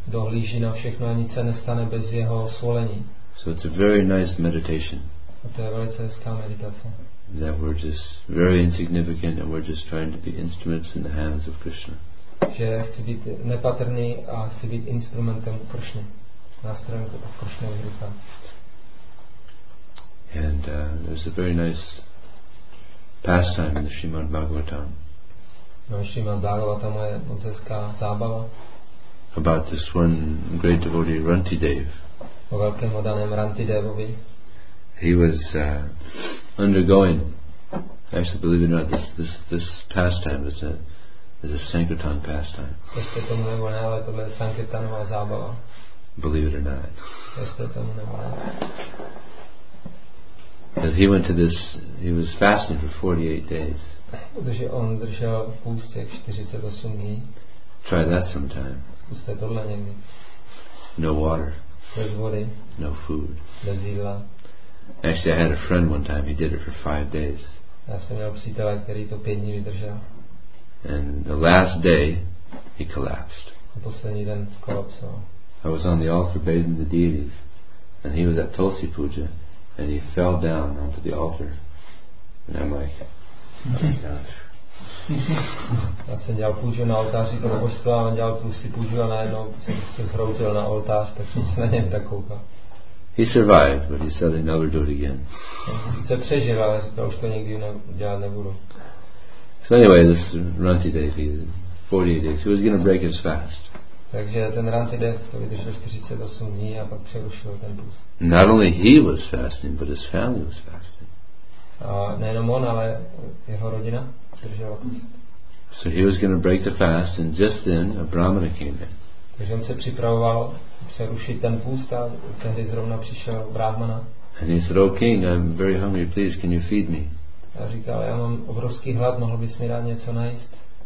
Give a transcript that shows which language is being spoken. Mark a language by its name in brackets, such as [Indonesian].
[Czech] Dohlíží na všechno a nic se nestane bez jeho svolení. [English] So it's a very nice meditation. [Czech] A to je velice hezká meditace. [English] That we're just very insignificant and we're just trying to be instruments in the hands of Krishna. [Czech] Že chci být nepatrný a chci být instrumentem Krishny, nástrojem Krishnovy ruky. [English] And there's a very nice pastime in the Srimad Bhagavatam. [Czech] No, Srimad Bhagavatam je moc hezká zábava. [English] About this one great devotee, Rantidev. [Czech] O veľkém oddaném Rantidevovi. [English] He was undergoing, actually, believe it or not, this pastime was a Sankirtan pastime. [Czech] Ešte tomu nebo ne, ale tohle je Sankirtanová zábava. [English] Believe it or not. [Czech] Ešte tomu nebo ne. [English] Because he went to this, he was fasting for 48 days. [Czech] Protože on držel v půstě 48 dní. [English] Try that sometime. [Czech] Zkuste tohle někdy. [English] No water. [Czech] Bez vody. [English] No food. [Czech] Bez jídla. [English] Actually, I had a friend one time. He did it for 5 days. [Czech] Já jsem měl přítele, který to 5 dní vydržel. [English] And the last day, he collapsed. [Czech] A poslední den skolapsoval. [English] I was on the altar bathing the deities, and he was at Tulsi Puja. And he fell down onto the altar. And I'm like, oh my gosh. He survived, but he said he'd never do it again. So anyway, this Rantidev, 48 days, he was going to break his fast. [Czech] Takže ten Rantidev to vydržel 48 dní a pak přerušil ten půst. [English] Not only he was fasting, but his family was fasting. [Czech] A nejenom on, ale jeho rodina držela půst. [English] So he was going to break the fast and just then a brahmana came in. [Czech] Takže on se připravoval přerušit ten půst a tehdy zrovna přišel brahmana. [English] And he said, "Oh king, I'm very hungry, please, can you feed me?" [Czech] A říkal, já mám obrovský hlad, mohl bys mi dát něco najíst?